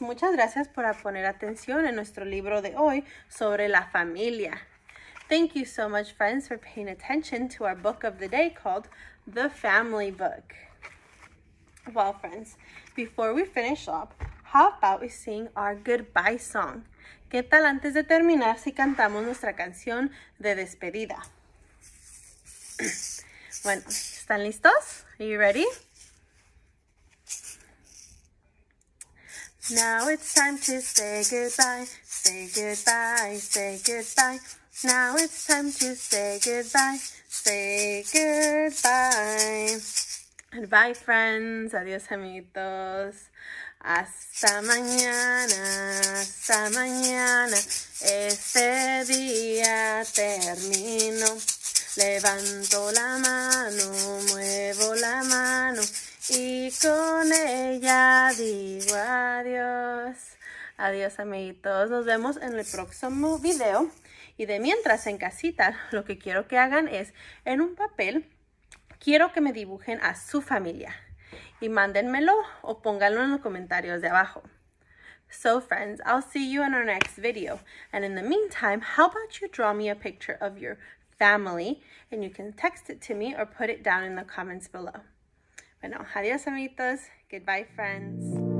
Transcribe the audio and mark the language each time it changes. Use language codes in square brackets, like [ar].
[es] Muchas gracias por poner atención en nuestro libro de hoy sobre la familia. [en] Thank you so much, friends, for paying attention to our book of the day called The Family Book. Well, friends, before we finish up, how about we sing our goodbye song? [es] ¿Qué tal antes de terminar si cantamos nuestra canción de despedida? Bueno, ¿están listos? [en] Are you ready? Now it's time to say goodbye, say goodbye, say goodbye. Now it's time to say goodbye, say goodbye. Goodbye, friends. [es] Adiós, amiguitos. Hasta mañana, este día termino. Levanto la mano y con ella digo adiós. Adiós, amiguitos. Nos vemos en el próximo video. Y de mientras en casita, lo que quiero que hagan es, en un papel, quiero que me dibujen a su familia. Y mándenmelo o pónganlo en los comentarios de abajo. [en] So friends, I'll see you in our next video. And in the meantime, how about you draw me a picture of your family and you can text it to me or put it down in the comments below. [es] Bueno, adiós amiguitos. [en] Goodbye friends.